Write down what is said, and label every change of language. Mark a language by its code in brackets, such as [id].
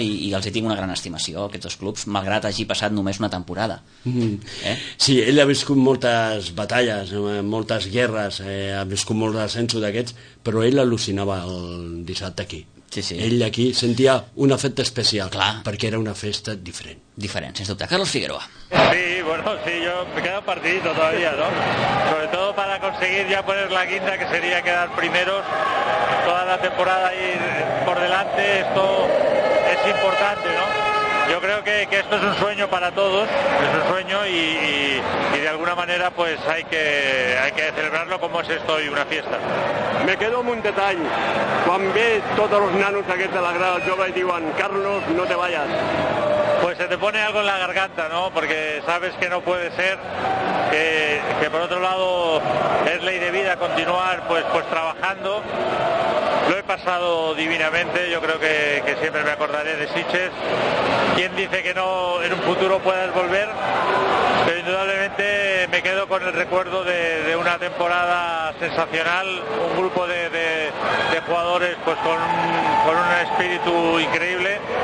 [ca] I els hi tinc una gran estimació, aquests dos clubs, malgrat hagi passat només una temporada. Sí, ell ha viscut moltes batalles, moltes guerres, ha viscut molt d'ascensos d'aquests, però ell al·lucinava el dissabte aquí. Sí, sí. Ell aquí sentia un efecte especial, clar, perquè era una festa diferent. Diferent, sense dubte. Carlos Figueroa. [es] Sí, bueno, sí, yo me quedo partidito todavía, ¿no? Sobre todo para conseguir ya poner la quinta, que sería quedar primeros, toda la temporada ahí por delante, esto es importante, ¿no? Yo creo que esto es un sueño para todos, es un sueño y de alguna manera pues hay que celebrarlo como es esto y una fiesta. Me quedo [ca] amb un detall, quan ve tots els nanos aquests de la grada jove i diuen, Carlos, [es] no te vayas. Pues se te pone algo en la garganta, ¿no? Porque sabes que no puede ser, que por otro lado es ley de vida continuar pues trabajando. Lo he pasado divinamente, yo creo que siempre me acordaré de Sitges. ¿Quién dice que no en un futuro puedas volver? Pero indudablemente me quedo con el recuerdo de una temporada sensacional, un grupo de jugadores pues con un espíritu increíble.